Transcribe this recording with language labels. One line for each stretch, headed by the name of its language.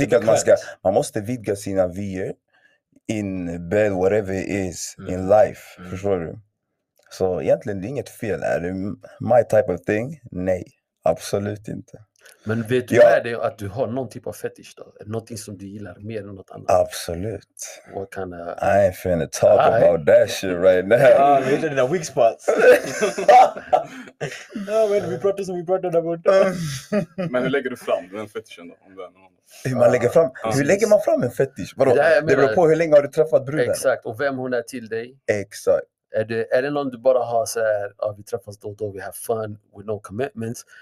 Swedish: jag tycker att man måste vidga sina vyer
English: in bed, whatever it is, in life.
Swedish: Förstår du? Så egentligen det är inget fel. Är det
English: my type of thing?
Swedish: Nej, absolut inte. Men vet du vad det är, att du har någon typ av fetish då? Någonting som du gillar mer än något annat? Absolut.
English: What kind of... I ain't finna talk about that shit right now.
Swedish: Ah, vi hittar dina weak spots. No, men vi pratar som vi pratar där borta. Men hur lägger du fram den fetishen då? Om den? Hur man lägger fram? Hur lägger man fram en fetish? Vadå? Det beror på hur länge har du träffat bruden. Exakt, och vem hon är till dig. Exakt. Är det någon du bara har så här, vi träffas då,
English: we have fun, with no commitments.